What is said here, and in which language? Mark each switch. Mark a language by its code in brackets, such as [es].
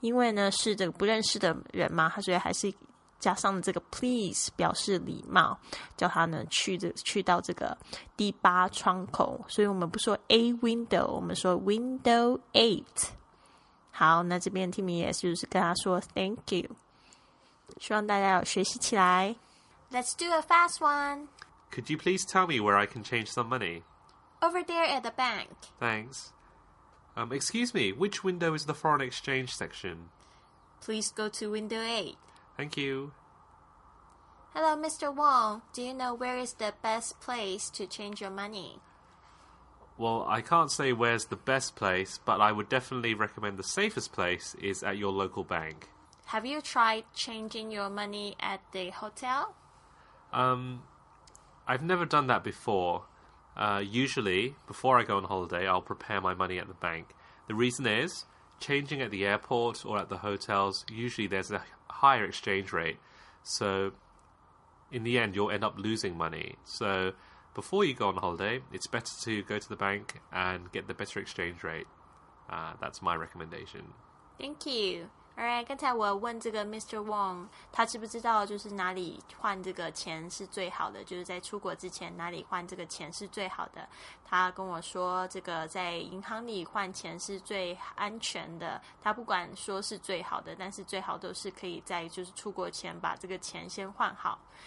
[zh] 因为呢是这个不认识的人嘛，他所以还是加上了这个 please 表示礼貌，叫他呢去到这个第八窗口。所以我们不说 [en] a window， [zh] 我们说 [en] window 8。 [zh] 好，那这边 Timmy 也是就是跟他说 [en] "Thank you"， [zh] 希望大家有学习起来。 [en] Let's do a fast one. Could you please tell me where I can change some money? Over there at the bank. Thanks. Excuse me, which window is the foreign exchange section? Please go to window 8. Thank you. Hello, Mr. Wong. Do you know where is the best place to change your money? Well, I can't say where's the best place, but I would definitely recommend the safest place is at your local bank. Have you tried changing your money at the hotel? I've never done that before. Usually, before I go on holiday, I'll prepare my money at the bank. The reason is, changing at the airport or at the hotels, usually there's a higher exchange rate. So in the end, you'll end up losing money. So before you go on holiday, it's better to go to the bank and get the better exchange rate. That's my recommendation. Thank you. [zh] Alright, 刚才我问这个 Mr. Wong, 他知不知道就是哪里换这个钱是最好的，就是在出国之前哪里换这个钱是最好的。他跟我说这个在银行里换钱是最安全的，他不管说是最好的，但是最好都是可以在就是出国前把这个钱先换好。